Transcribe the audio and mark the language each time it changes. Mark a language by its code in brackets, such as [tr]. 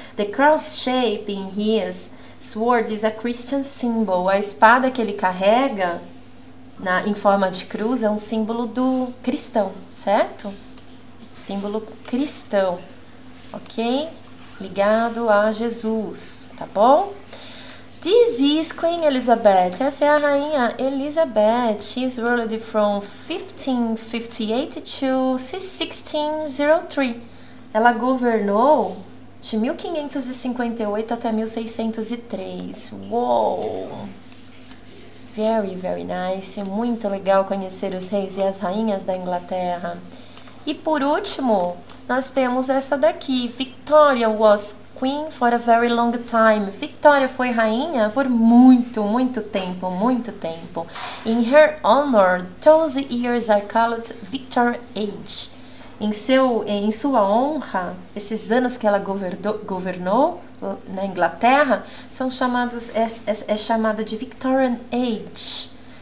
[en] The cross shape in his sword is a Christian symbol. [pt] A espada que ele carrega em forma de cruz é um símbolo do cristão, certo? Símbolo cristão, ok? Ligado a Jesus, tá bom? [en] This is Queen Elizabeth. [pt] Essa é a rainha Elizabeth. [en] She's ruled from 1558 to 1603. [pt] Ela governou de 1558 até 1603. Uou! [en] Very nice. [pt] Muito legal conhecer os reis e as rainhas da Inglaterra. E por último, nós temos essa daqui. [en] Victoria was Queen for a very long time. [pt] Victoria foi rainha por muito tempo. [en] In her honor, those years are called Victor Age. [pt] Em sua honra, esses anos que ela governou na Inglaterra são chamados é chamado de Victorian Age.